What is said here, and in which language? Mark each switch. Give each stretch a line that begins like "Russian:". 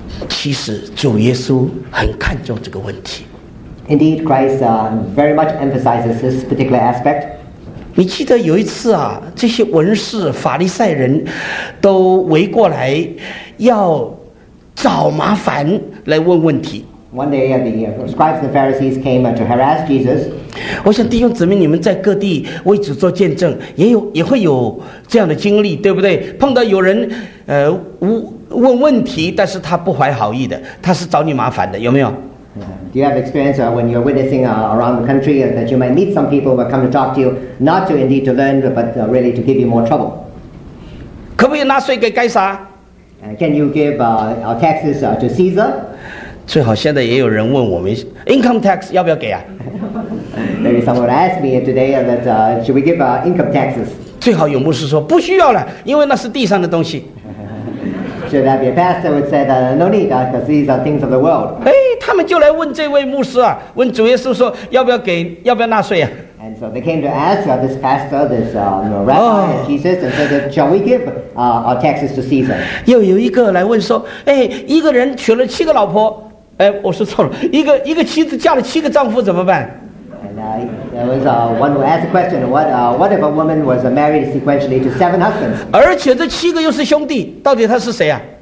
Chinese: 其实主耶稣很看重这个问题
English: Indeed, Christ very much emphasizes this particular aspect.
Chinese: 你记得有一次啊，这些文士法利赛人都围过来要找麻烦来问问题。
English: One day, the scribes and the Pharisees came to harass Jesus.
Chinese: 我想弟兄姊妹，你们在各地为主做见证，也会有这样的经历，对不对？碰到有人，问问题，但是他不怀好意的，他是找你麻烦的，有没有？
English: Do you have experience when you're witnessing around the country that you might meet some people who come to talk to you, not to indeed to learn, but really to give you more trouble?
Chinese: 可不可以纳税给该撒？
English: Can you give our taxes to Caesar?
Chinese: 最好现在也有人问我们 income tax 要不要给啊？
English: Maybe someone asked me today that should we give income taxes?
Chinese: 最好有牧师说不需要了，因为那是地上的东西。
English: Should that be a pastor would say that no need because these are things of the world?
Chinese: 哎，他们就来问这位牧师啊，问主耶稣说要不要给，要不要纳税啊？
English: And so they came to ask this pastor, this rabbi, Jesus, and said, "Shall we give our taxes to Caesar?"
Chinese: 又有一个来问说，哎，一个人娶了七个老婆。哎，我说错了，一个妻子嫁了七个丈夫怎么办？
English: There was one who asked a question. What if a woman was married sequentially to seven husbands?
Chinese: 而且这七个又是兄弟，到底他是谁啊？